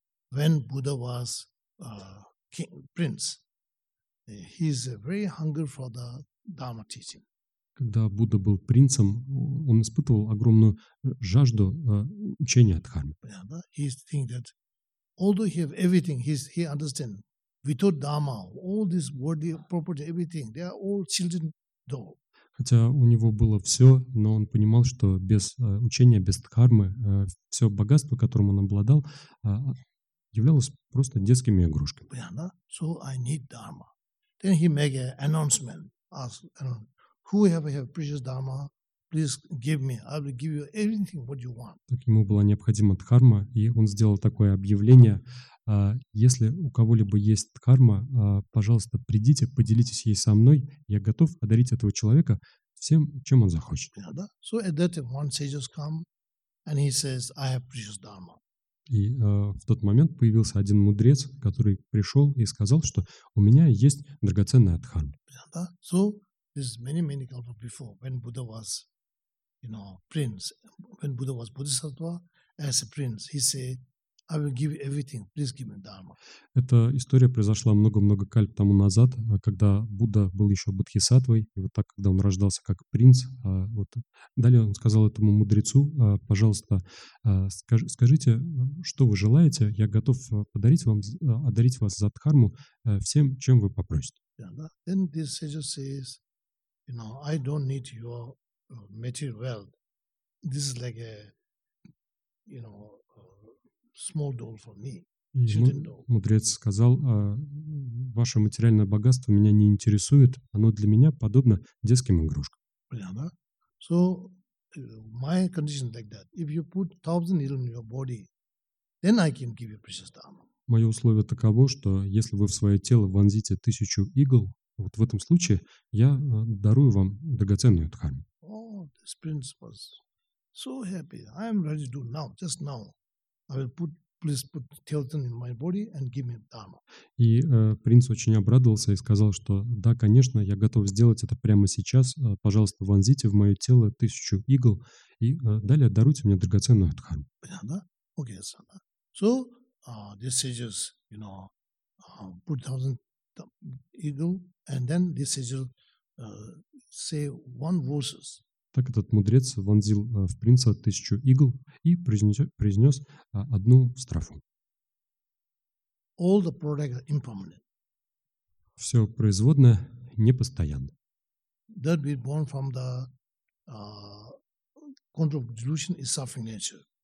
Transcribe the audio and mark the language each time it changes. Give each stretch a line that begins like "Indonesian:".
English: When Buddha was king, prince, he's very hungry for the Dharma teaching.
Russian: Когда Будда был принцем, он испытывал огромную жажду учения Дхармы.
English: He thinks that although he has everything, he understands without Dharma, all this worldly property, everything, they are all children doll.
Russian: Хотя у него было все, но он понимал, что без учения, без Дхармы, все богатство, которым он обладал, являлось просто детскими игрушками.
English: So I need Dharma. Then he made an announcement, whoever have precious dharma, please give me. I will give you everything what you want.
Russian: Так ему была необходима дхарма, и он сделал такое объявление: если у кого-либо есть дхарма, пожалуйста, придите, поделитесь ей со мной. Я готов одарить этого человека всем, чем он захочет. Yeah, да?
English: So at that time, one sage come, and he says, I have precious dharma.
Russian: И в тот момент появился один мудрец, который пришел и сказал, что у меня есть драгоценная дхарма. Yeah, да?
English: So this is many kalpa before when Buddha was, you know, prince. When Buddha was bodhisattva as a prince, he said, "I will give you everything. Please give me dharma."
Russian: Эта история произошла много кальп тому назад, когда Будда был еще бодхисаттвой, и вот так, когда он рождался как принц. Вот далее он сказал этому мудрецу: "Пожалуйста, скажите, что вы желаете? Я готов подарить вам, одарить вас за дхарму всем, чем вы попросите."
English: Then this sage says, you know, I don't need your material wealth. This is like a, you know, small doll for me.
Russian: Мудрец сказал, ваше материальное богатство меня не интересует. Оно для меня подобно детским игрушкам. Понятно?
English: So, my condition like that. If you put 1,000 needles in your body, then I can give you precious dharma.
Russian: Мое условие таково, что если вы в свое тело вонзите 1,000 игл, вот в этом случае я дарую вам драгоценную дхарму.
English: Oh, this prince was so happy. I am ready to do now, just now. I will put, please put thousand in my body and give me dharma.
Russian: И принц очень обрадовался и сказал, что да, конечно, я готов сделать это прямо сейчас. Пожалуйста, вонзите в мое тело 1,000 игл и далее даруйте мне драгоценную дхарму. Понятно? Окей, сана.
English: So, this sages, you know, put 1,000 eagle, and then this sage say one verses.
Russian: Так этот мудрец вонзил в принца 1,000 игл и произнес одну строфу.
English: All the product are impermanent.
Russian: Все производное непостоянно.
English: That be born from the control of delusion is suffering nature.